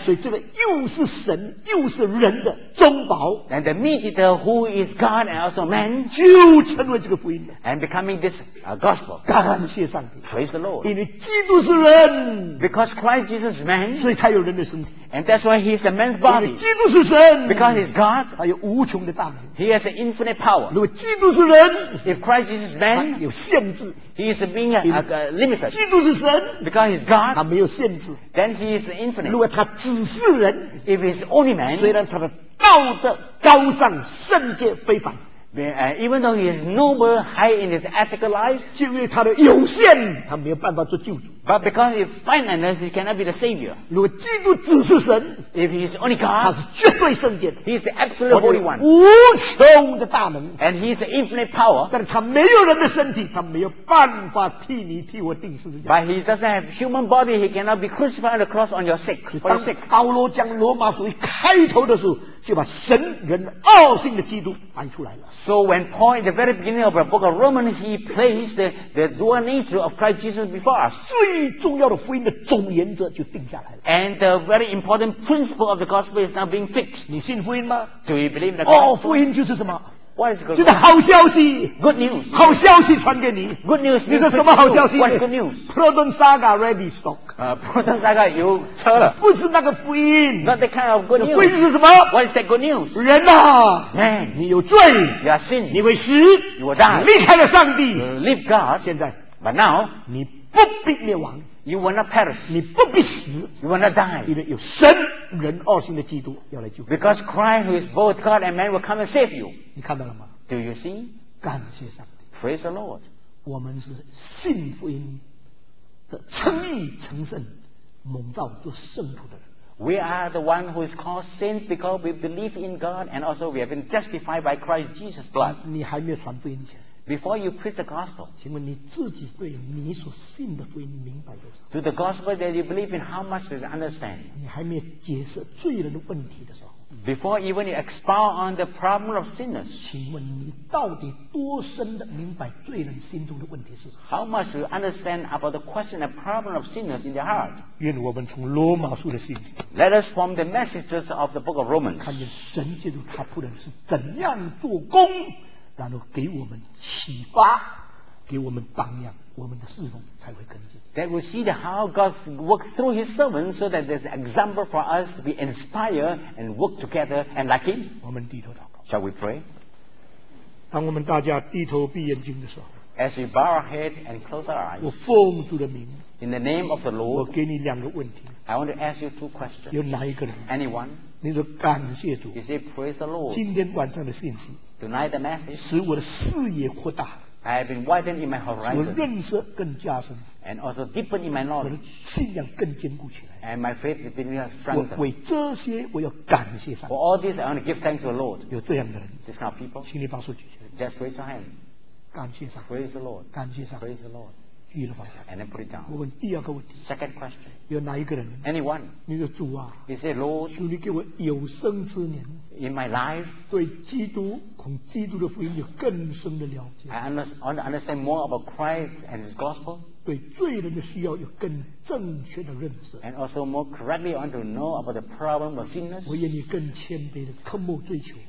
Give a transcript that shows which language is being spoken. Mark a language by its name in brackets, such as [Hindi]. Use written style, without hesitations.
[Chinese] 所以这个又是神又是人的中保 [English] And the mediator who is God and also man [Chinese] 就成为这个福音 [English] And becoming this gospel [Chinese] 感谢上帝 [English] Praise the Lord [Chinese] 因为基督是人 [English] Because Christ Jesus is man [Chinese] 所以他有人的身体 [English] And that's why he is the man's body [Chinese] 因为基督是神 [English] Because he is God [Chinese] 他有无穷的大能 [English] He has an infinite power [Chinese] 如果基督是人 [English] If Christ Jesus is man [Chinese] 他有限制 [English] He is being limited [Chinese] 基督是神 [English] Because he is God [Chinese] 他没有限制 [English] Then he is infinite [Chinese] 如果他只是人 [English] If he is only man [Chinese] 虽然他的道德高尚圣洁非凡 [English] Even though he is noble high in his ethical life [Chinese] 就因为他的有限他没有办法做救主 [English] But because he is finite he cannot be the savior [Chinese] 如果基督只是神 [English] If he is only God [Chinese] 他是绝对圣洁 [English] He is the absolute holy one [Chinese] 无穷的大能 [English] And he is the infinite power [Chinese] 但他没有人的身体他没有办法替你替我钉十字架 [English] But he doesn't have human body he cannot be crucified on the cross on your sake [Chinese] 当保罗将罗马书一开头的时候就把神人二性的基督搬出来了 [English] So when Paul in the very beginning of the book of Romans he placed the dual nature of Christ Jesus before us [Chinese] 最重要的福音的总原则就定下来了 [English] And the very important principle of the gospel is now being fixed [Chinese] 你信福音吗 [English] Do you believe in the gospel? [Chinese] 福音就是什么 [English] What is good? [Chinese] 就是好消息 [English] Good news [Chinese] 好消息传给你 [English] Good news [Chinese] 你说什么好消息 [English] What's good news? Proton Saga ready stock [Chinese] Proton Saga 有车了不是那个福音 [English] Not that kind of good news [Chinese] 福音是什么 [English] What is that good news? [Chinese] 人啊 [English] Man [Chinese] 你有罪 [English] You are sin [Chinese] 你会死 [English] You will die [Chinese] 离开了上帝 [English] Leave God [Chinese] 现在 [English] But now [Chinese] 你不必灭亡 [English] You will not perish [Chinese] 你不必死 [English] You will not die [Chinese] 因为有神人二性的基督要来救 [English] Because Christ who is both God and man will come and save you [Chinese] 你看到了吗 [English] Do you see [Chinese] 感谢上帝 [English] Praise the Lord [Chinese] 我们是信福音的称义成圣蒙召做圣徒的人 [English] We are the one who is called saints because we believe in God and also we have been justified by Christ Jesus blood [Chinese] 你还没有传福音前 [English] Before you preach the gospel [Chinese] 请问你自己对你所信的福音明白多少 [English] Do the gospel that you believe in how much does it understand [Chinese] 你还没有解释罪人的问题的时候 [English] Before even you expound on the problem of sinners [Chinese] 请问你到底多深的明白罪人心中的问题是 [English] How much do you understand about the question and problem of sinners in their heart [Chinese] 愿我们从罗马书的信息 [English] Let us from the messages of the book of Romans [Chinese] 看见神基督他仆人是怎样做工然后给我们启发给我们榜样我们的侍奉才会跟进 [English] That we see how God works through his servants so that there's an example for us to be inspired and work together and like him [Chinese] 我们低头祷告 [English] Shall we pray? [Chinese] 当我们大家低头闭眼睛的时候 [English] As we bow our head and close our eyes [Chinese] 我奉主的名 [English] In the name of the Lord [Chinese] 我给你两个问题 [English] I want to ask you two questions [Chinese] 有哪一个人 [English] Anyone [Chinese] 你说感谢主。 [English] You say praise the Lord。 [Chinese] 今天晚上的信息。 [English] Tonight the message。 [Chinese] 使我的视野扩大。 [English] I have been widened in my horizon。 [Chinese] 我的认识更加深。 [English] And also deepened in my knowledge。 [Chinese] 我的信仰更坚固起来。 [English] And my faith has been strengthened。 [Chinese] 为这些我要感谢上帝。 [English] For all this, I want to give thanks to the Lord。 [Chinese] 有这样的人。 [English] This kind of people。 [Chinese] 请你把手举起来。 [English] Just raise your hand。 [Chinese] 感谢上帝。 [English] Praise the Lord。 [Chinese] 感谢上帝。 [English] Praise the Lord。 [Chinese] 举了放下。 [English] And then put it down。 [Chinese] 我问第二个问题。 [English] Second question。 [Chinese] 有哪一个人 [English] ？Anyone。 [Chinese] 你的主啊。 [English] He said, Lord。 [Chinese] 求你给我有生之年。 [English] In my life。 [Chinese] 对基督，恐基督的福音有更深的了解。 [English] I understand more about Christ and His gospel。 [Chinese] 对罪人的需要有更正确的认识。 [English] And also more correctly, I want to know about the problem of sinners。 [Chinese] 我愿意更谦卑的渴慕追求。